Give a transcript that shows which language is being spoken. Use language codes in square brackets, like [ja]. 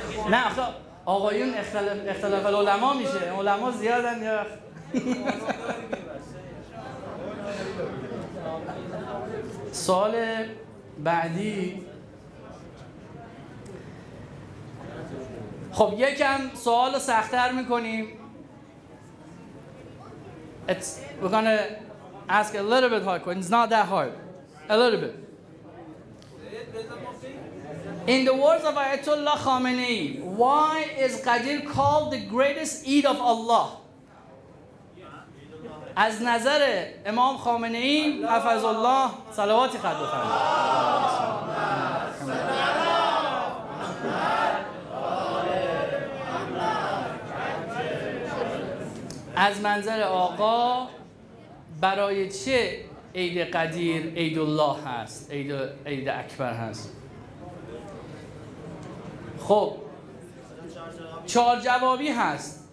[fa] نه آخه آقایون اختلاف علما میشه، علما زیادن یا سال بعدی. خب یکم سوال رو سخت‌تر می‌کنیم. [en] We're gonna ask a little bit hard questions. It's not that hard. A little bit. In the words of Ayatollah Khamenei, why is Qadir called the greatest Eid of Allah? [fa] از نظر امام خامنه ای حفظ الله صلواتی خط بفرمایید. از منظر آقا برای چه عید قدیر عید الله هست، عید اکبر هست؟ خب چهار جوابی هست.